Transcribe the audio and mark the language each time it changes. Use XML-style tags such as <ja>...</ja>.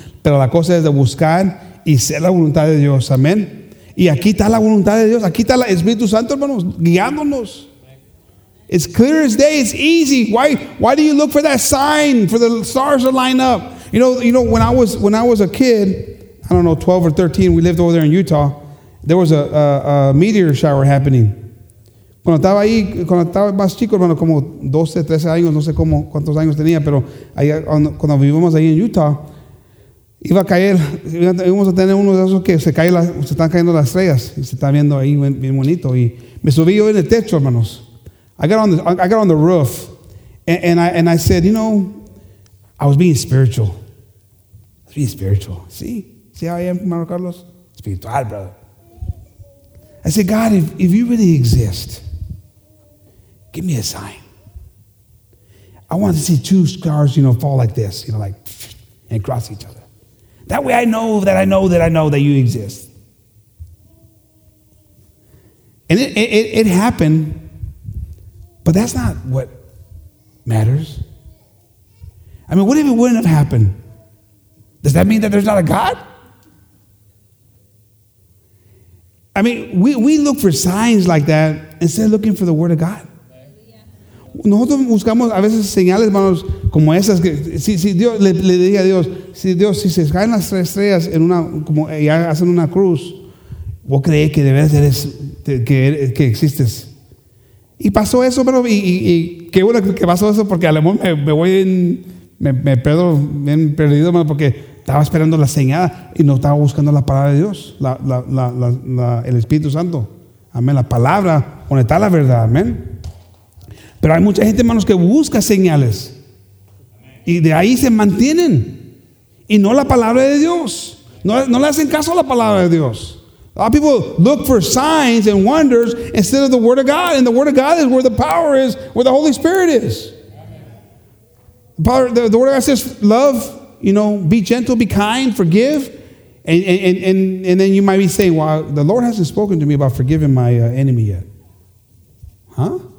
<es>Pero la cosa es de buscar y ser la voluntad de Dios, amén. Y aquí está la voluntad de Dios, aquí está el Espíritu Santo, hermanos, guiándonos.</es> <en>It's clear as day, it's easy. Why do you look for that sign for the stars to line up? You know, when I was a kid, I don't know, 12 or 13, we lived over there in Utah, there was a meteor shower happening.</en> <es>Cuando estaba ahí, cuando estaba más chico, hermano, como 12, 13 años, no sé cómo, cuántos años tenía, pero ahí, cuando vivimos ahí en Utah, iba a caer, íbamos a tener uno de esos que se cae la, se están cayendo las estrellas, y se está viendo ahí bien, bien bonito, y me subí yo en el techo, hermanos.</es> <en>I got on the roof, and I said, you know, I was being spiritual. See how I am, Mario Carlos? Spiritual, brother. I said, God, if you really exist, give me a sign. I want to see two stars, you know, fall like this, you know, like, and cross each other. That way I know that you exist. And it happened, but that's not what matters. I mean, what if it wouldn't have happened? Does that mean that there's not a God? I mean, we look for signs like that instead of looking for the Word of God.</en> <es>Nosotros buscamos a veces señales, hermanos, como esas que si Dios le diga a Dios, si Dios, si se caen las tres estrellas en una, como ya hacen una cruz, vos crees que de verdad eres que existes. Y pasó eso, pero y qué bueno que pasó eso, porque a lo mejor me perdo bien perdido, hermano, porque estaba esperando la señal y no estaba buscando la palabra de Dios, la el Espíritu Santo, amén, la palabra donde está la verdad, amén. Pero hay mucha gente, hermanos, que busca señales y de ahí se mantienen y no la palabra de Dios, no le hacen caso a la palabra de Dios.</es> <en>A lot of people look for signs and wonders instead of the Word of God, and the Word of God is where the power is, where the Holy Spirit is. The Word of God says love, you know, be gentle, be kind, forgive, and then you might be saying, well, the Lord hasn't spoken to me about forgiving my enemy yet. Huh?</en>